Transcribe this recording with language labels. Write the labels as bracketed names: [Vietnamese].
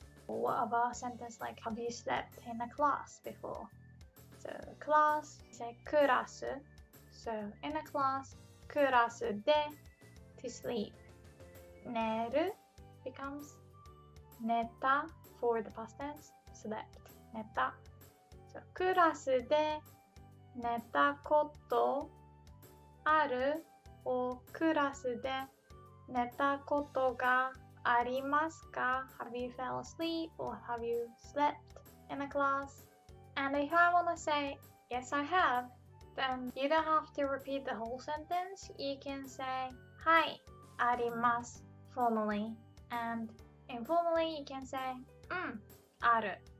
[English] What about a sentence like, have you slept in a class before? So, class, say, クラス.So, in a class, クラスで, to sleep. 寝る becomes 寝た for the past tense, slept, 寝た. [Japanese] So, クラスで寝たことある or クラスで寝たことがありますか? [English] Have you fell asleep or have you slept in a class? And if I want to say, yes I have, then you don't have to repeat the whole sentence. You can say, [Japanese] はい、あります, [English] formally. And informally, you can say, ある.